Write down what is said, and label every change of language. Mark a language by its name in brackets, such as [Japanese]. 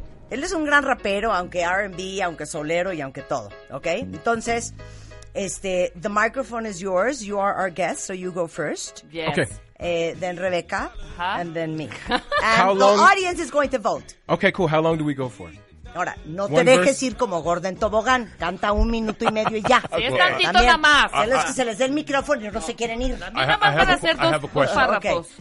[Spanish] Él es un gran rapero, aunque R&B, aunque solero y aunque todo. [English] Ok. Entonces, the microphone is yours. You are our guest, so you go first. Yes. Okay. Then Rebecca. Uh-huh. And then me. And how the long? Audience is going to vote. Okay, cool. How long do we go for? [Spanish] Ahora, no te dejes ir como gordo en tobogán. Canta un minuto y medio y ya. Es tantito nada más. A los que se les dé el micrófono y no se quieren ir. Nada más para hacer dos párrafos.